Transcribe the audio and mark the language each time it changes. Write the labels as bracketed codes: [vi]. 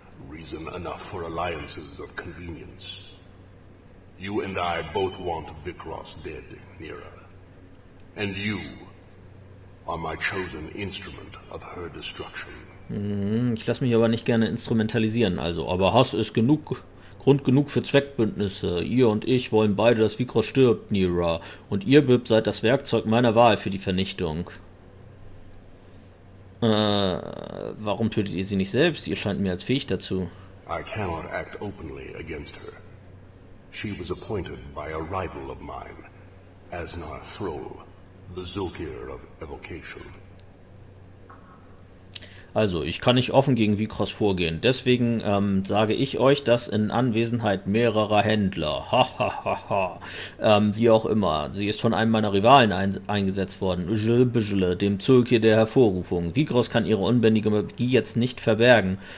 [en] Reason enough for alliances of convenience. You and I both want Vikross dead, Nira. And you are my chosen instrument of her destruction. [de] Ich lasse mich aber nicht gerne instrumentalisieren, also. Aber Hass ist genug, Grund genug für Zweckbündnisse. Ihr und ich wollen beide, dass Vikross stirbt, Nira. Und ihr, Bib, seid das Werkzeug meiner Wahl für die Vernichtung. Warum tötet ihr sie nicht selbst? Ihr scheint mir als fähig dazu. [en] I cannot act openly against her. She was appointed by a rival of mine, Asnar Thrall, the Zulkir of Evocation. [de] Also, ich kann nicht offen gegen Vikross vorgehen. Deswegen sage ich euch das in Anwesenheit mehrerer Händler. Ha ha ha ha. Wie auch immer. Sie ist von einem meiner Rivalen eingesetzt worden. Jill Bijle, dem Zulkir der Hervorrufung. Vikross kann ihre unbändige Magie jetzt nicht verbergen.